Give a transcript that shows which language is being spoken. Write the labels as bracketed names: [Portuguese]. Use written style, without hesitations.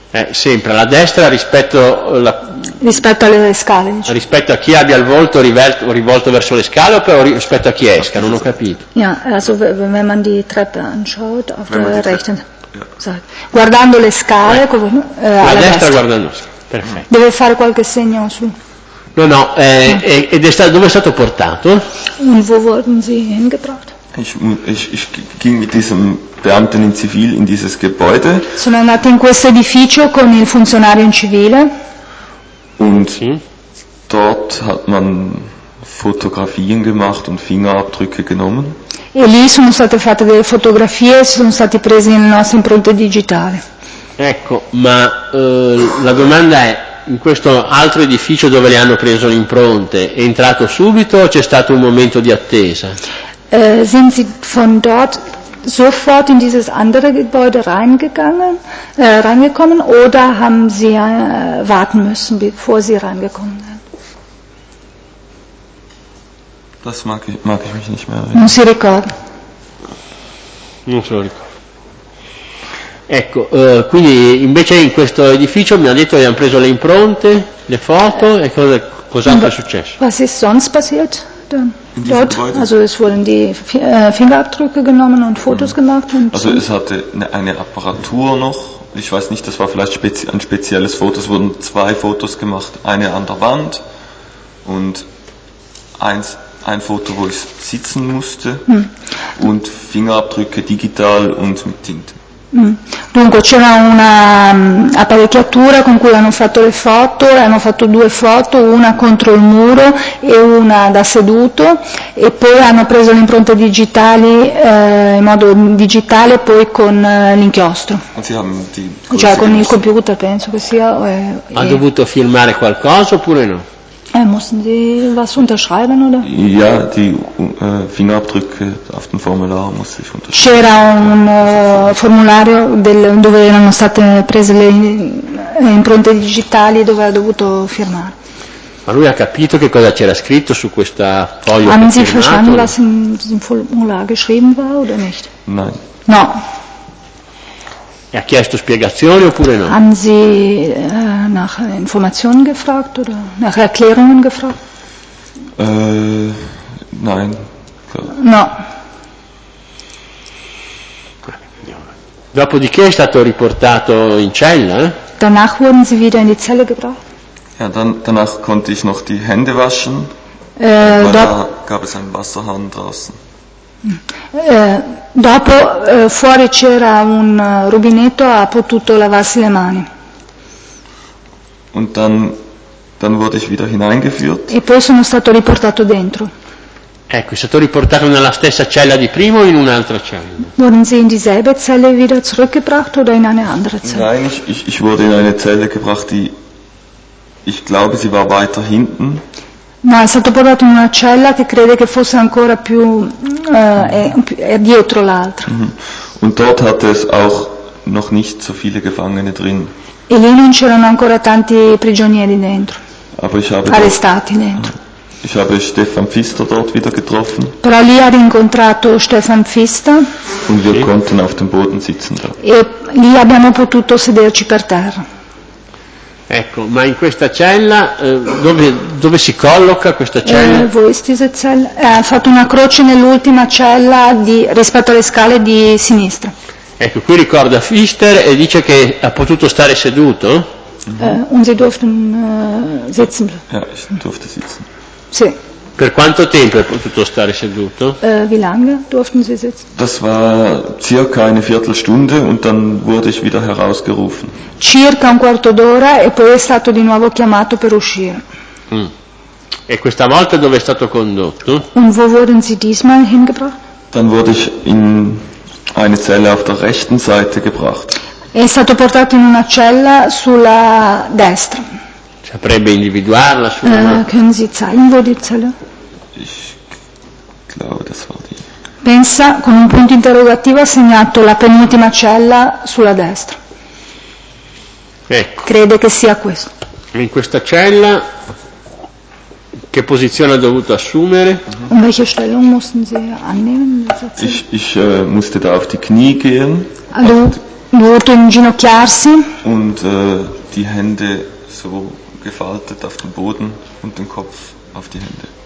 [Italian] Sempre alla destra rispetto alla... rispetto alle scale, diciamo. Rispetto a chi abbia il volto rivolto verso le scale o però rispetto a chi esca, non ho capito. [German] Ja, also wenn man die Treppe anschaut auf der rechten Seite. [Italian] Guardando le scale, alla destra guardando. Perfetto. Deve fare qualche segno su. No, no, ed è stato, dove è stato portato? [German] Und wo wurden sie hingebracht? Ich ging mit diesem Beamten in Zivil in dieses Gebäude. [Italian] Sono andato in questo edificio con il funzionario in civile. [German] Und dort hat man Fotografien gemacht und Fingerabdrücke genommen. [Italian] E lì sono state fatte delle fotografie e sono stati presi le nostre impronte digitali. Ecco, ma la domanda è, in questo altro edificio dove le hanno preso le impronte, è entrato subito o c'è stato un momento di attesa? [German] Sind sie von dort sofort in dieses andere Gebäude reingekommen oder haben sie warten müssen, bevor sie reingekommen sind? Das mag ich mich nicht mehr erinnern. [Italian] Non si ricorda. Non se lo ricordo. Ecco, quindi invece in questo edificio mi ha detto che hanno preso le impronte, le foto e cos'altro è successo? [German] Was ist sonst passiert? Dort, also es wurden die Fingerabdrücke genommen und Fotos gemacht. Und also es hatte eine Apparatur noch, ich weiß nicht, das war vielleicht ein spezielles Foto, es wurden zwei Fotos gemacht, eine an der Wand und ein Foto, wo ich sitzen musste und Fingerabdrücke digital und mit Tinte. [Italian] Dunque c'era una apparecchiatura con cui hanno fatto le foto, hanno fatto due foto, una contro il muro e una da seduto e poi hanno preso le impronte digitali in modo digitale poi con l'inchiostro. Cioè con il computer penso che sia. Ha dovuto filmare qualcosa oppure no? [German] Mussten sie was unterschreiben, oder? Ja, die Fingerabdrücke auf dem Formular musste ich unterschreiben. [Italian] C'era un formulario dove erano state prese le impronte digitali dove ha dovuto firmare. Ma lui ha capito che cosa c'era scritto su questa foglia? [German] Haben Sie verstanden, was in diesem Formular geschrieben war, oder nicht? Nein. [Italian] No. E ha chiesto spiegazioni oppure no? [German] Haben Sie nach Informationen gefragt oder nach Erklärungen gefragt? Nein. [Italian] No. Dopodiché è stato riportato in cella? [German] Danach wurden Sie wieder in die Zelle gebracht. Ja, danach konnte ich noch die Hände waschen. Da gab es einen Wasserhahn draußen. [Italian] Dopo fuori c'era un rubinetto, ha potuto lavarsi le mani. [German] Und dann wurde ich wieder hineingeführt. [Italian] E poi sono stato riportato dentro. Ecco, è stato riportato nella stessa cella di prima o in un'altra cella? [German] Wurden Sie in dieselbe Zelle wieder zurückgebracht oder in eine andere Zelle? Nein, ich wurde in eine Zelle gebracht, die ich glaube, sie war weiter hinten. [Italian] No, è stato portato in una cella che crede che fosse ancora più è dietro l'altra. [German] Und dort hatte es auch noch nicht so viele Gefangene drin. [Italian] E lì non c'erano ancora tanti prigionieri dentro. [German] Aber ich habe [Italian] arrestati [German] dort, [Italian] dentro. [German] Ich habe Stefan Pfister dort wieder getroffen. [Italian] Però lì ha rincontrato Stefan Pfister. [German] Und wir konnten auf dem Boden sitzen da. [Italian] E lì abbiamo potuto sederci per terra. Ecco, ma in questa cella dove si colloca questa cella? Ha fatto una croce nell'ultima cella rispetto alle scale di sinistra. Ecco, qui ricorda Pfister e dice che ha potuto stare seduto. [German] Und sie durften sitzen. Ja, ich durfte sitzen. [Italian] Sì. Per quanto tempo è potuto stare seduto? [German] Wie lange durften Sie sitzen? Das war circa eine Viertelstunde und dann wurde ich wieder herausgerufen. [Italian] Circa un quarto d'ora e poi è stato di nuovo chiamato per uscire. Mm. E questa volta dove è stato condotto? [German] Und wo wurden Sie diesmal hingebracht? Dann wurde ich in eine Zelle auf der rechten Seite gebracht. [Italian] È stato portato in una cella sulla destra. Saprebbe individuarla sulla [German] Können Sie zeigen, wo die Zelle? Ich glaube, das war die. [Italian] Pensa con un punto interrogativo ha segnato la penultima cella sulla destra. Ecco. Crede che sia questo. In questa cella che posizione ha dovuto assumere? [German] In welche Stellung mussten Sie annehmen? Ich musste da auf die Knie gehen. [Italian] Allora, dovuto inginocchiarsi. [German] Und die Hände so gefaltet auf dem Boden und den Kopf auf die Hände.